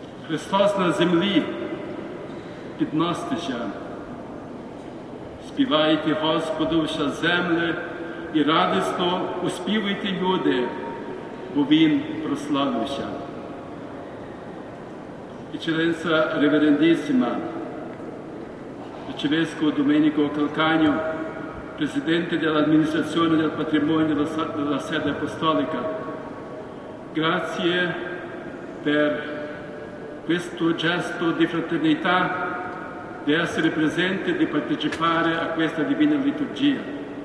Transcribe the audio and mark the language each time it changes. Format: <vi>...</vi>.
<uk>Hristos na zemlji, підносьте землю. Співайте Господу вся землі і радісно успівайте люди, бо Він прославився.</uk> <it>Eccellenza Reverendissima, Arcivescovo Domenico Calcagno, Presidente dell'Amministrazione del Patrimonio della Sede Apostolica, grazie per questo gesto di fraternità, di essere presente e di partecipare a questa Divina Liturgia.</it>